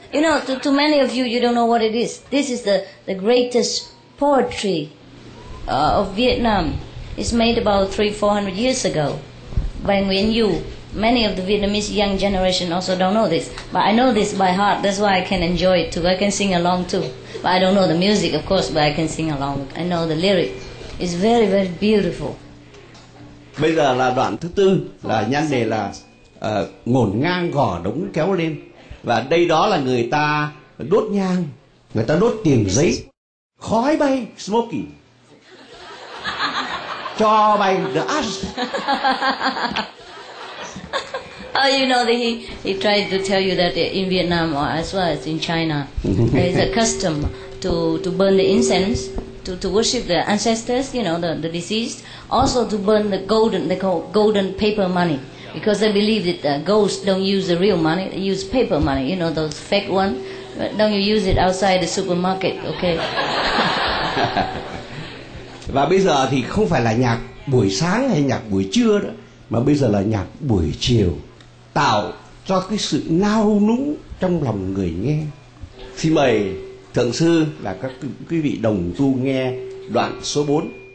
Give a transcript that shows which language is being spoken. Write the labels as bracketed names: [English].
[English] You know, to many of you, you don't know what it is. This is the greatest poetry of Vietnam. It's made about 300-400 years ago by Nguyễn Du, Many of the Vietnamese young generation also don't know this, but I know this by heart. That's why I can enjoy it too. I can sing along too. But I don't know the music, of course, but I can sing along. I know the lyric. It's very, very beautiful. [Vietnamese] Bây giờ là đoạn thứ tư, là nhan đề là ngổn ngang gò đống kéo lên. Và đây đó là người ta đốt nhang, người ta đốt tiền giấy, khói bay, smoky. Cho bay, [English] the ash. Oh, you know, he tried to tell you that in Vietnam or as well as in China, there is a custom to burn the incense, to worship the ancestors, you know, the deceased. Also to burn the golden, they call golden paper money. Because they believe that ghosts don't use the real money, they use paper money, you know, those fake one. But don't you use it outside the supermarket, okay? [Vietnamese] Và bây giờ thì không phải là nhạc buổi sáng hay nhạc buổi trưa đó, mà bây giờ là nhạc buổi chiều, tạo cho cái sự nao núng trong lòng người nghe. Xin mời Thượng Sư và các quý vị đồng tu nghe đoạn số 4.